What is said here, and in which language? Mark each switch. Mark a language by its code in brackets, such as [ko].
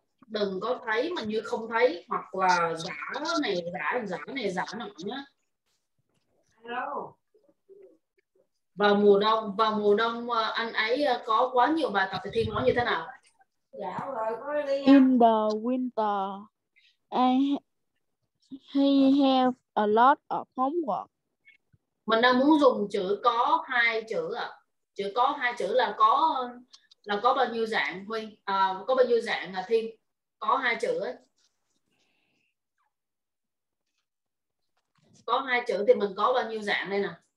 [vi] Đừng có thấy mà như không thấy hoặc là giả nọ nhá. Hello. Vào mùa đông anh ấy có quá nhiều bài tập thì Thi nói như thế nào? Dạ rồi, có đi. [en] In the winter he have a lot of homework. [vi] Mình đang muốn dùng chữ có hai chữ ạ. Chữ có hai chữ là có bao nhiêu dạng Huy? Có bao nhiêu dạng là Thiên? Có hai chữ ấy. Có hai chữ thì mình có bao nhiêu dạng đây nè?